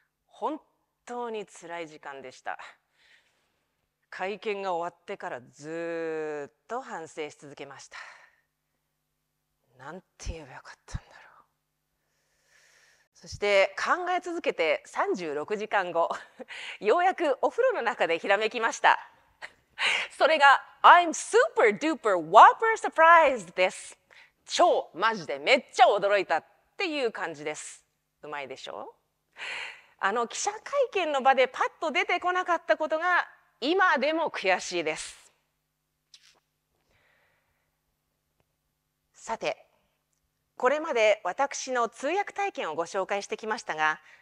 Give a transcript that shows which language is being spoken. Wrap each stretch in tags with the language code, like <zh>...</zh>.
<ja>本当に辛い時間でした。会見が終わってからずっと反省し続けました。なんて言えばよかったんだろう。そして考え続けて36時間後、ようやくお風呂の中でひらめきました。それが</ja> <en>I'm super duper whopper surprised</en> <ja>です。超マジでめっちゃ驚いたっていう感じです。うまいでしょ？あの記者会見の場でパッと出てこなかったことが今でも悔しいです。さて、これまで私の通訳体験をご紹介してきましたが、</ja>